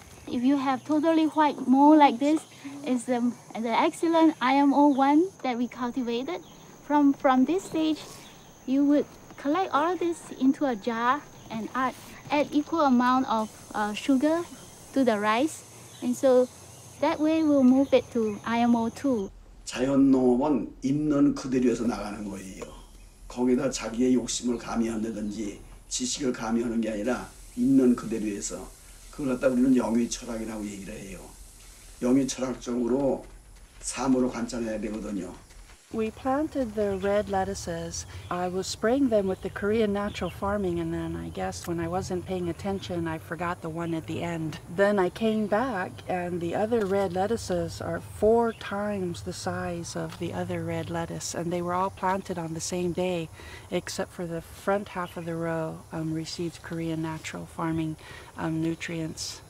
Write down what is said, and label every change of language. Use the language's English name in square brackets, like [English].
[English] If you have totally white mold like this, it's the excellent IMO1 that we cultivated. From this stage, you would collect all of this into a jar and add equal amount of sugar to the rice. And so that way we'll move it to IMO2. [Korean] 자연농업은 있는 그대로에서 나가는 거예요. 거기다 자기의 욕심을 가미한다든지 지식을 가미하는 게 아니라 있는 그대로에서 그걸 갖다 우리는 영위철학이라고 얘기를 해요. 영위철학적으로 삶으로 관찰해야 되거든요. [English] We planted the red lettuces. I was spraying them with the Korean natural farming, and then I guess when I wasn't paying attention, I forgot the one at the end. Then I came back, and the other red lettuces are 4 times the size of the other red lettuce, and they were all planted on the same day, except for the front half of the row received Korean natural farming nutrients.